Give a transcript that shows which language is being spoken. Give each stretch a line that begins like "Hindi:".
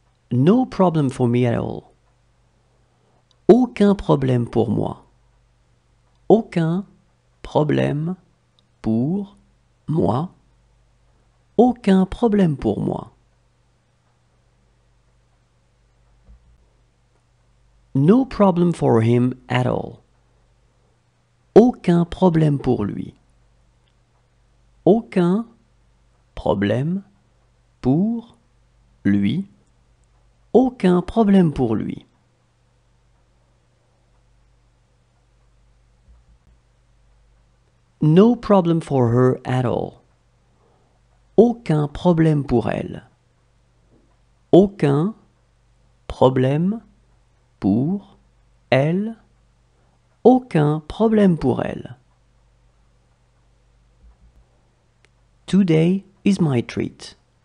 English: No problem for me at all.
French: Aucun problème pour moi. Aucun problème pour moi. Aucun problème pour moi.
English: No problem for him at all.
French: Aucun problème pour lui. Aucun problème pour lui. Aucun problème pour lui.
English: No problem for her at all.
French: Aucun problème pour elle. Aucun problème pour elle. Aucun problème pour elle.
English: Today is my treat.